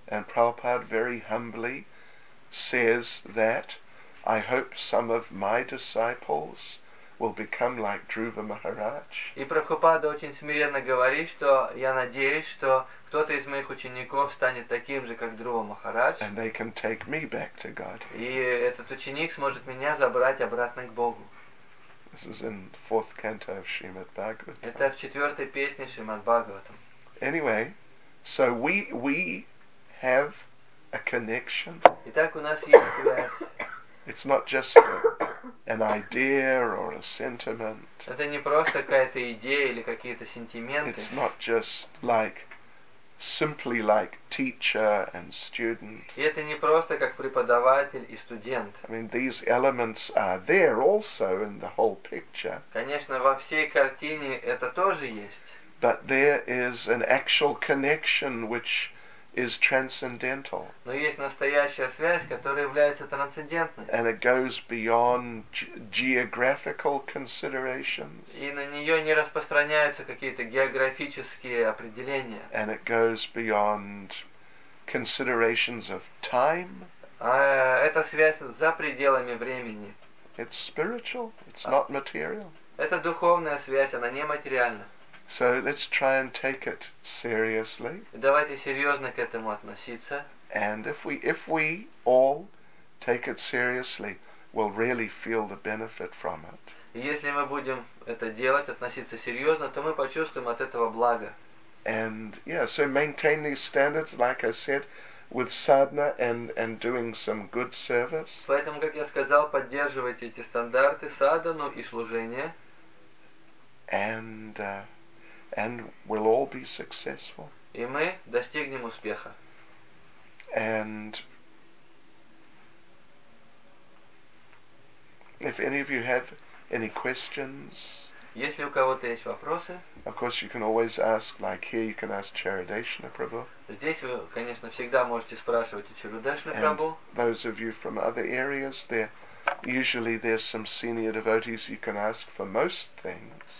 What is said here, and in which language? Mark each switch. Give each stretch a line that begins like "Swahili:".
English: And Prabhupada very humbly says that I hope some of my disciples will become like Dhruva Maharaj.
Russian: И Прабхупада очень смиренно говорит, что я надеюсь, что кто-то из моих учеников станет таким же, как Друва Махарадж.
English: And they can take me back to God.
Russian: И этот ученик сможет меня забрать обратно к Богу.
English: This is in fourth canto of Shrimad Bhagavatam.
Russian: Это в четвертой песне Шримад Бхагаватам.
English: Anyway, so we have a connection.
Russian: Итак, у нас есть связь.
English: It's not just an idea or a sentiment.
Russian: Это не просто какая-то идея или какие-то сентименты.
English: It's not just like simply like teacher and student.
Russian: И это не просто как преподаватель и студент.
English: I mean, these elements are there also in the whole picture.
Russian: Конечно, во всей картине это тоже есть.
English: But there is an actual connection which is transcendental.
Russian: Но есть настоящая связь, которая является трансцендентной.
English: And it goes beyond geographical considerations.
Russian: И на нее не распространяются какие-то географические определения.
English: And it goes beyond considerations of time.
Russian: Эта связь за пределами времени.
English: It's spiritual. It's not material.
Russian: Это духовная связь, она не материальна.
English: So let's try and take it seriously.
Russian: Давайте серьезно к этому относиться.
English: And if we all take it seriously, we'll really feel the benefit from it.
Russian: Если мы будем это делать, относиться серьезно, то мы почувствуем от этого благо.
English: And yeah, so maintain these standards, like I said, with sadhana and doing some good service.
Russian: Поэтому, как я сказал, поддерживайте эти стандарты садхану и служение.
English: And we'll all be successful.
Russian: И мы достигнем успеха.
English: And if any of you have any questions,
Russian: если у кого-то есть вопросы,
English: of course you can always ask, like here you can ask Charudeshana Prabhu.
Russian: Здесь вы, конечно, всегда можете спрашивать у Чарудешна Прабху.
English: And those of you from other areas, there usually there's some senior devotees you can ask for most things.